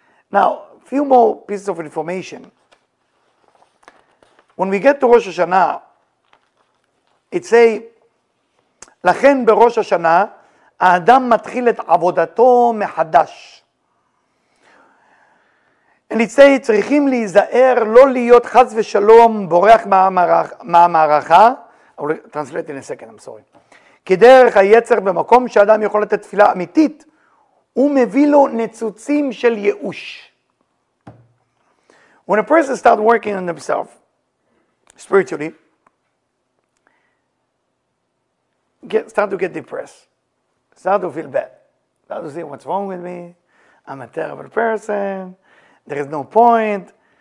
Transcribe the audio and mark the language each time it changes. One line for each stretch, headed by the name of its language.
English: Now, a few more pieces of information. When we get to Rosh Hashanah, it say,
Hebrew: לכן בראש השנה האדם מתחיל את עבודתו מחדש.
English: And it says,
Hebrew: צריכים להיזהר לא להיות חס ושלום בורח מהמערכה.
English: I will translate in a second, I'm sorry.
Hebrew: כדרך היצר במקום שאדם יכול לתת תפילה אמיתית, הוא מביא לו ניצוצים של ייאוש.
English: When a person starts working on himself, spiritually, start to get depressed, start to feel bad, start to see what's wrong with me, I'm a terrible person, there is no point.